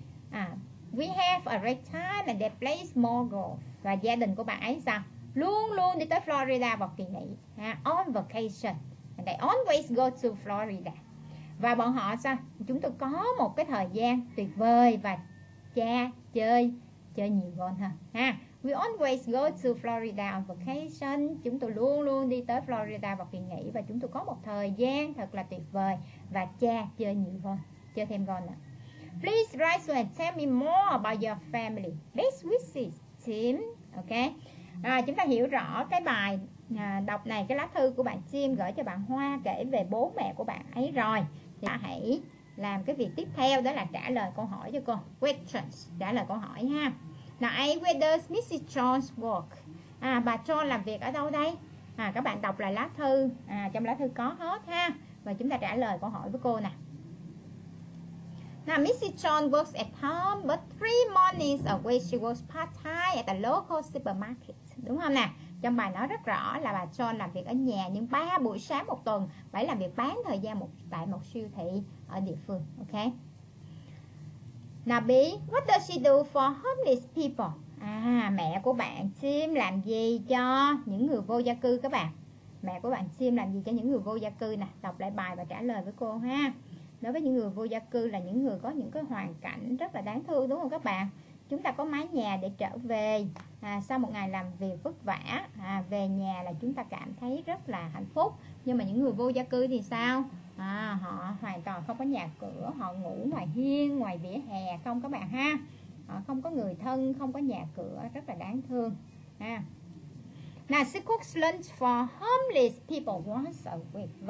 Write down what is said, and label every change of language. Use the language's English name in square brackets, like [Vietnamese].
[English] À, we have a great time and they play more golf. [Vietnamese] Và gia đình của bạn ấy sao? Luôn luôn đi tới Florida vào kỳ nghỉ. [English] Ha? On vacation. And they always go to Florida. [Vietnamese] Và bọn họ sao? Chúng tôi có một cái thời gian tuyệt vời và cha chơi nhiều golf hơn. Ha? [English] We always go to Florida on vacation. [Vietnamese] Chúng tôi luôn luôn đi tới Florida vào kỳ nghỉ và chúng tôi có một thời gian thật là tuyệt vời và cha chơi nhiều golf, chơi thêm golf nữa. [English] Please write to and tell me more about your family. Best wishes, Tim. Okay. [Vietnamese] Rồi, chúng ta hiểu rõ cái bài đọc này, cái lá thư của bạn Tim gửi cho bạn Hoa kể về bố mẹ của bạn ấy rồi. Thì ta hãy làm cái việc tiếp theo, đó là trả lời câu hỏi cho cô. [English] Questions, [Vietnamese] trả lời câu hỏi ha. [English] Now, where does Mrs. Jones work? [Vietnamese] À, bà John làm việc ở đâu đây? À, các bạn đọc lại lá thư, à, trong lá thư có hết ha. Và chúng ta trả lời câu hỏi với cô nè. [English] Now, Mrs. John works at home, but 3 mornings a week she works part-time at a local supermarket. [Vietnamese] Đúng không nè? Trong bài nói rất rõ là bà John làm việc ở nhà những 3 buổi sáng một tuần, phải làm việc bán thời gian một tại một siêu thị ở địa phương. [English] Ok. Now, B, what does she do for homeless people? [Vietnamese] À, mẹ của bạn Tim làm gì cho những người vô gia cư các bạn? Mẹ của bạn Tim làm gì cho những người vô gia cư nè? Đọc lại bài và trả lời với cô ha. Đối với những người vô gia cư là những người có những cái hoàn cảnh rất là đáng thương, đúng không các bạn? Chúng ta có mái nhà để trở về, à, sau một ngày làm việc vất vả, à, về nhà là chúng ta cảm thấy rất là hạnh phúc. Nhưng mà những người vô gia cư thì sao? À, họ hoàn toàn không có nhà cửa, họ ngủ ngoài hiên, ngoài vỉa hè, không các bạn ha. Họ không có người thân, không có nhà cửa, rất là đáng thương ha. [English] Now, she cooks lunch for homeless people once a week.